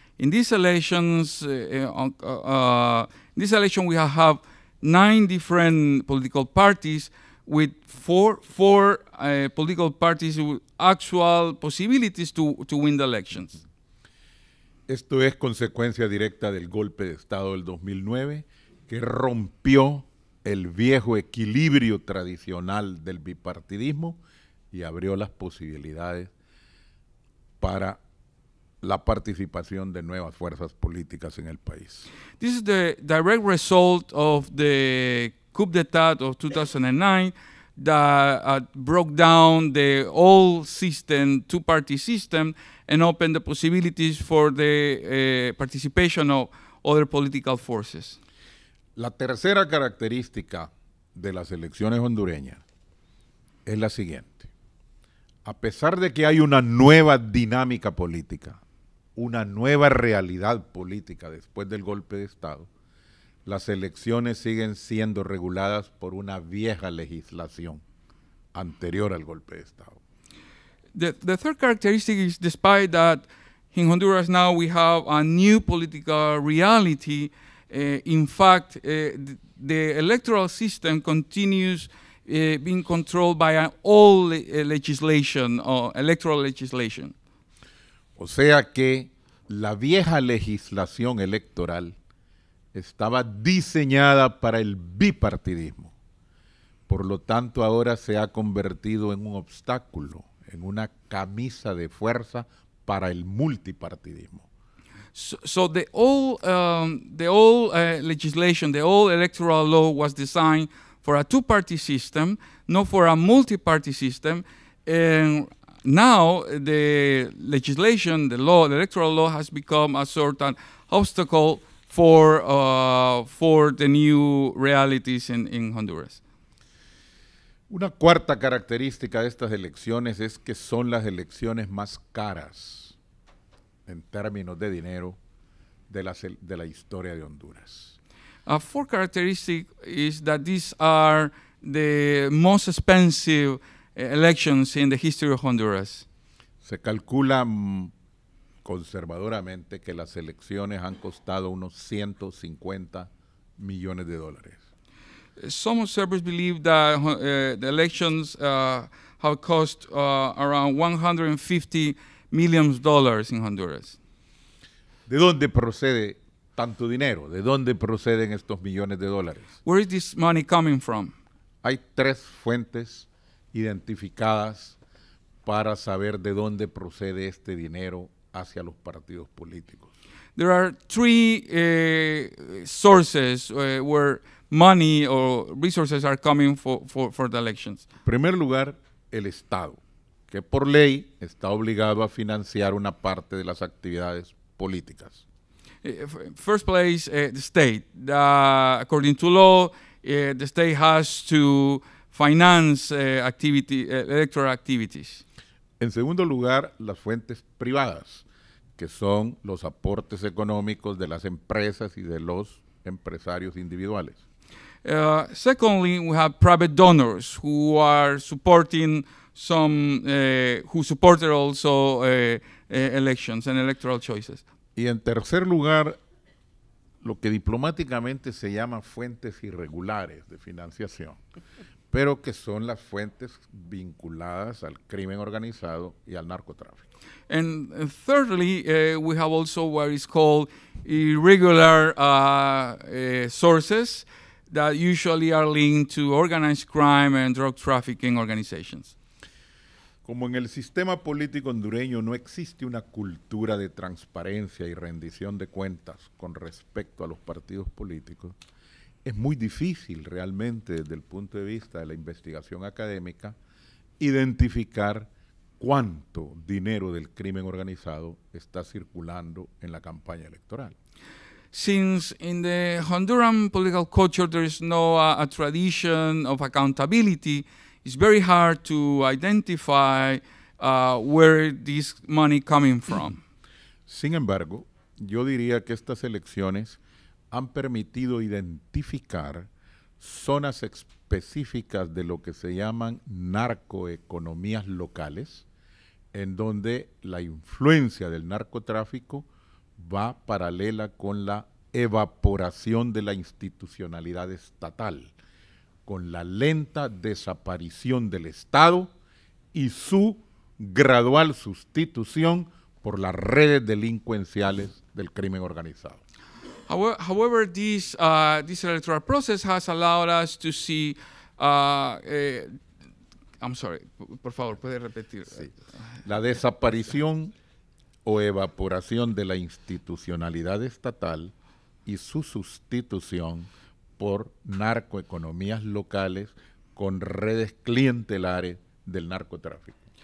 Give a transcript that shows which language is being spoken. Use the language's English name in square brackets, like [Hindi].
[English] In these elections, we have 9 different political parties with 4 political parties with actual possibilities to win the elections. [Spanish] Esto es consecuencia directa del golpe de Estado del 2009, que rompió el viejo equilibrio tradicional del bipartidismo y abrió las posibilidades para la participación de nuevas fuerzas políticas en el país. [English] This is the direct result of the coup d'etat of 2009 that broke down the old system, two-party system, and opened the possibilities for the participation of other political forces. [Spanish] La tercera característica de las elecciones hondureñas es la siguiente. A pesar de que hay una nueva dinámica política, una nueva realidad política después del golpe de Estado, las elecciones siguen siendo reguladas por una vieja legislación anterior al golpe de Estado. [English] The third characteristic is, despite that in Honduras now we have a new political reality, in fact, the electoral system continues being controlled by an old legislation, electoral legislation. [Spanish] O sea que la vieja legislación electoral estaba diseñada para el bipartidismo. Por lo tanto, ahora se ha convertido en un obstáculo, en una camisa de fuerza para el multipartidismo. [English] So legislation, the old electoral law was designed for a two-party system, not for a multi-party system. And now the legislation, the law, the electoral law has become a sort of obstacle for the new realities in Honduras. [Spanish] Una cuarta característica de estas elecciones es que son las elecciones más caras en términos de dinero de la historia de Honduras. [English] A fourth characteristic is that these are the most expensive elections in the history of Honduras. [Spanish] Se calcula conservadoramente que las elecciones han costado unos $150 million. [English] Some observers believe that the elections have cost around $150 million in Honduras. [Spanish] ¿De dónde procede tanto dinero? ¿De dónde proceden estos millones de dólares? [English] Where is this money coming from? [Spanish] Hay 3 fuentes identificadas para saber de dónde procede este dinero hacia los partidos políticos. [English] There are 3 sources where money or resources are coming for the elections. [Spanish] En primer lugar, el Estado, que por ley está obligado a financiar una parte de las actividades políticas. [English] First place, the state. According to law, the state has to finance electoral activities. [Spanish] En segundo lugar, las fuentes privadas, que son los aportes económicos de las empresas y de los empresarios individuales. [English] Secondly, we have private donors who are supporting who supported also elections and electoral choices. [Spanish] Y en tercer lugar, lo que diplomáticamente se llama fuentes irregulares de financiación, pero que son las fuentes vinculadas al crimen organizado y al narcotráfico. [English] And thirdly, we have also what is called irregular sources that usually are linked to organized crime and drug trafficking organizations. [Spanish] Como en el sistema político hondureño no existe una cultura de transparencia y rendición de cuentas con respecto a los partidos políticos, es muy difícil realmente desde el punto de vista de la investigación académica identificar cuánto dinero del crimen organizado está circulando en la campaña electoral. [English] Since in the Honduran political culture there is no a tradition of accountability, it's very hard to identify where this money coming from. [Spanish] Sin embargo, yo diría que estas elecciones han permitido identificar zonas específicas de lo que se llaman narcoeconomías locales, en donde la influencia del narcotráfico va paralela con la evaporación de la institucionalidad estatal, con la lenta desaparición del Estado y su gradual sustitución por las redes delincuenciales del crimen organizado. [English] However, this electoral process has allowed us to see, I'm sorry, [Spanish] por favor, puede repetir. Sí. La desaparición o evaporación de la institucionalidad estatal y su sustitución por narcoeconomías locales con redes clientelares del narcotráfico.